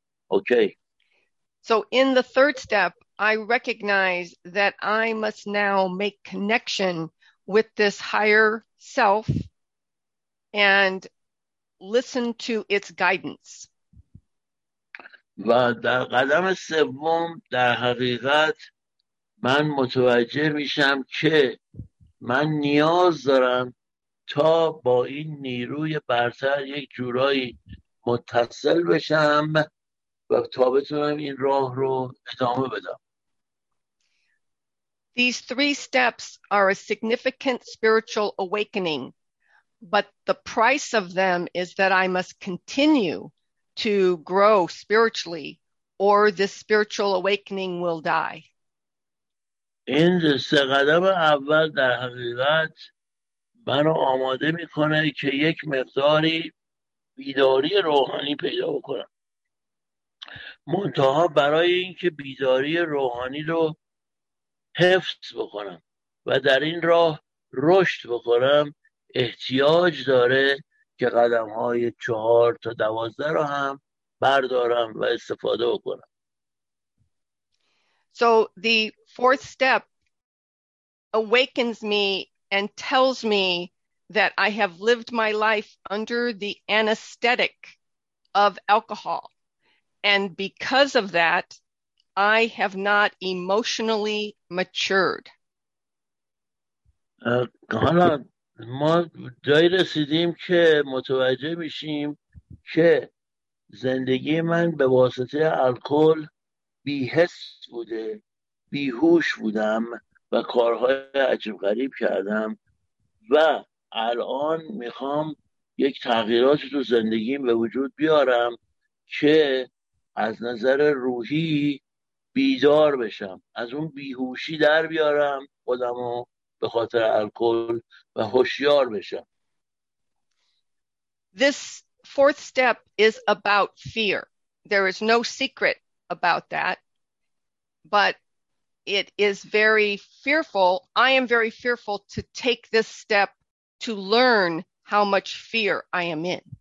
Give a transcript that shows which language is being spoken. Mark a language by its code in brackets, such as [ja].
[en] Okay. So in the third step, I recognize that I must now make connection with this higher self and listen to its guidance. [fa] و در قدم سوم در حقیقت من متوجه میشم که من نیاز دارم تا با این نیروی برتر یک جورایی متصل بشم و تا بتونم این راه رو ادامه بدم. [en] These three steps are a significant spiritual awakening, but the price of them is that I must continue to grow spiritually or this spiritual awakening will die. [fa] این سه قدم اول در حقیقت منو آماده میکنه که یک مقداری بیداری روحانی پیدا بکنم. منتها برای اینکه بیداری روحانی رو حفظ بکنم و در این راه رشد بکنم، احتیاج داره که قدم های 4 تا 12 رو هم بردارم و استفاده بکنم. [en] So the fourth step awakens me and tells me that I have lived my life under the anesthetic of alcohol. And because of that, I have not emotionally matured. [fa] حالا ما جایی رسیدیم که متوجه میشیم که زندگی من به واسطه الکل بی‌حس بوده، بیهوش بودم و کارهای عجیب غریب کردم و الان میخوام یک تغییرات تو زندگیم به وجود بیارم که از نظر روحی بیدار بشم، از اون بیهوشی در بیارم خودمو به خاطر الکل و هوشیار بشم. [en] This fourth step is about fear. There is no secret about that, but it is very fearful. I am very fearful to take this step to learn how much fear I am in.